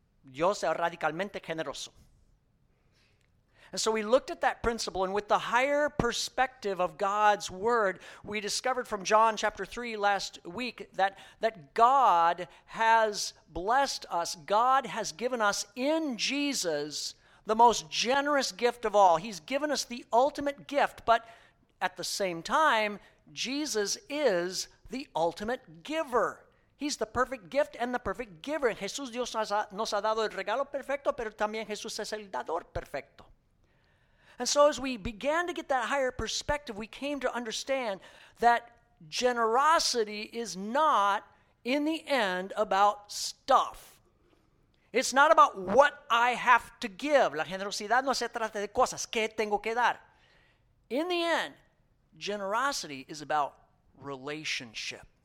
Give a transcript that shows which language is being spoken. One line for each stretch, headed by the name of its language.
Spanish: Dios es radicalmente generoso.
English: And so we looked at that principle, and with the higher perspective of God's word, we discovered from John chapter 3 last week that God has blessed us. God has given us in Jesus the most generous gift of all. He's given us the ultimate gift, but at the same time, Jesus is the ultimate giver. He's the perfect gift and the perfect giver.
Spanish: Jesús Dios nos ha dado el regalo perfecto, pero también Jesús es el dador perfecto.
English: And so as we began to get that higher perspective, we came to understand that generosity is not, in the end, about stuff. It's not about what I have to give.
Spanish: La generosidad no se trata de cosas. ¿Qué tengo que dar?
English: In the end, generosity is about relationship.